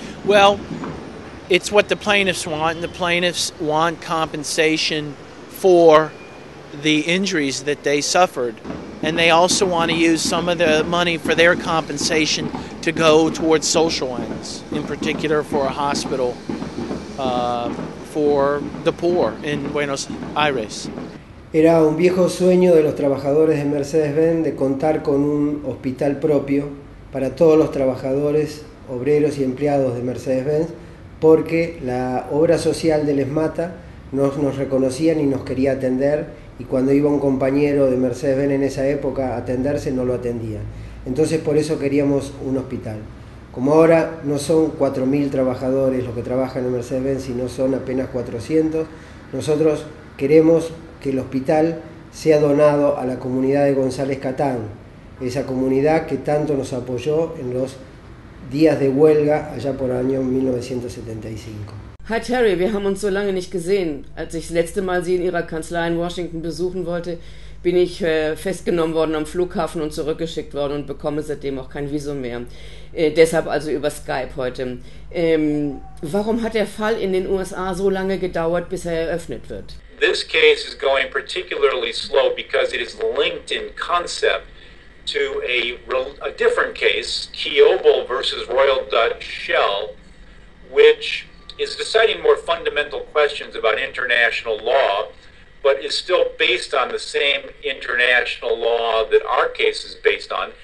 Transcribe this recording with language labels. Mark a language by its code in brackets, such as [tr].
[en] Well, it's what the plaintiffs want, and the plaintiffs want compensation for the injuries that they suffered. And they also want to use some of the money for their compensation to go towards social ends, in particular for a hospital for the poor in Buenos Aires. [es] Era un viejo sueño de los trabajadores de Mercedes-Benz de contar con un hospital propio para todos los trabajadores, obreros y empleados de Mercedes-Benz, porque la obra social de Les Mata no nos reconocía ni nos quería atender, y cuando iba un compañero de Mercedes-Benz en esa época a atenderse, no lo atendía. Entonces por eso queríamos un hospital. Como ahora no son 4.000 trabajadores los que trabajan en Mercedes-Benz, sino son apenas 400, nosotros queremos que el hospital sea donado a la comunidad de González Catán, esa comunidad que tanto nos apoyó en los días de huelga allá por el año 1975. [en] Hi [de] Terry, wir haben uns so lange nicht gesehen. Als ich das letzte Mal Sie in Ihrer Kanzlei in Washington besuchen wollte, bin ich festgenommen worden am Flughafen und zurückgeschickt worden und bekomme seitdem auch kein Visum mehr. Deshalb also über Skype heute. Warum hat der Fall in den USA so lange gedauert, bis er eröffnet wird? [en] This case is going particularly slow because it is linked in concept to a different case, Kiobel versus Royal Dutch Shell, which is deciding more fundamental questions about international law, but is still based on the same international law that our case is based on.